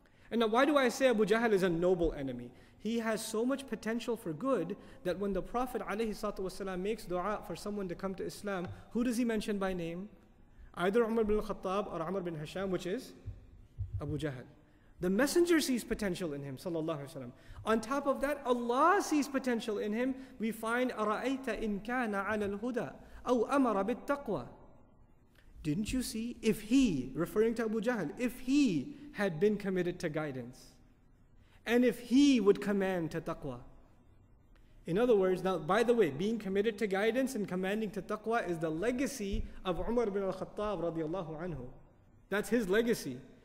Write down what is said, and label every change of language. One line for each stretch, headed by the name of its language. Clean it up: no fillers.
English: And now, why do I say Abu Jahl is a noble enemy? He has so much potential for good that when the Prophet ﷺ makes dua for someone to come to Islam, who does he mention by name? Either Umar bin al-Khattab or Umar bin Hisham, which is Abu Jahl. The Messenger sees potential in him, sallallahu alaihi wasallam. On top of that, Allah sees potential in him. We find
Arabic: أَرَأَيْتَ إِن كَانَ عَلَى الْهُدَىٰ أَوْ أَمَرَ بِالتَّقْوَىٰ.
English: Didn't you see? If he, referring to Abu Jahl, if he had been committed to guidance, and if he would command to taqwa. In other words, now, by the way, being committed to guidance and commanding to taqwa is the legacy of Umar bin al-Khattab radiallahu anhu. That's his legacy.